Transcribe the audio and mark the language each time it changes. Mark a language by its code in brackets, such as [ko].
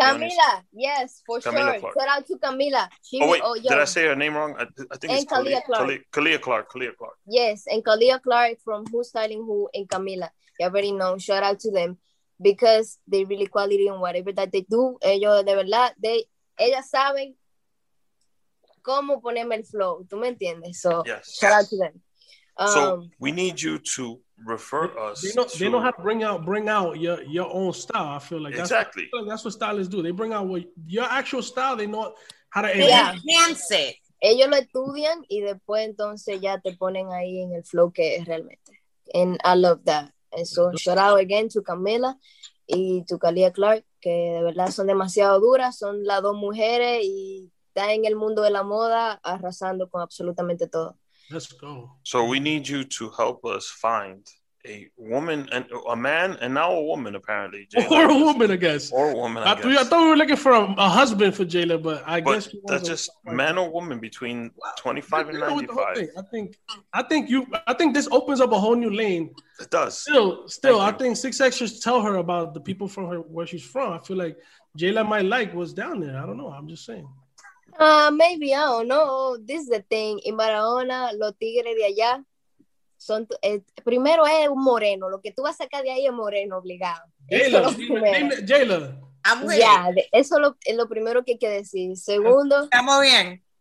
[en] Camilla. Yes, for Camilla sure. Clark. Shout out to Camilla. Did I say her name wrong? I think it's Kalia Clark. Kalia Clark. Yes, and Kalia Clark from Who's Styling Who and Camilla. You already know. Shout out to them. Because they really quality in whatever that they do. [es] Ellos de verdad, ellas saben cómo ponerme el flow. ¿Tú me entiendes? So, [en] yes. Shout out to them. So we need you to refer us. They know how to bring out your own style. I feel like exactly. I feel like that's what stylists do. They bring out your actual style. They know how to enhance it. [es] Ellos lo estudian y después entonces ya te ponen ahí en el flow que es realmente. [en] And I love that. And so shout out again to Camila. [es] y tu Kalia Clark, que de verdad son demasiado duras, son las dos mujeres y están en el mundo de la moda arrasando con absolutamente todo. [en] Let's go. So we need you to help us find a woman, and a man, and now a woman, apparently. Or a woman, I guess. I thought we were looking for a husband for Jayla, but I guess... Man or woman between 25 and 95. I think this opens up a whole new lane. It does. Still, I think 6X should tell her about the people from her, where she's from. I feel like Jayla might like what's down there. I don't know. I'm just saying. Maybe, I don't know. This is the thing. [es] In Barahona, los tigres de allá, son primero es un moreno. Lo que tú vas a sacar de ahí es moreno, obligado. Jayla, Jayla. [en] I'm ready. [es] Yeah, eso es lo primero que hay que decir. Segundo. Estamos bien.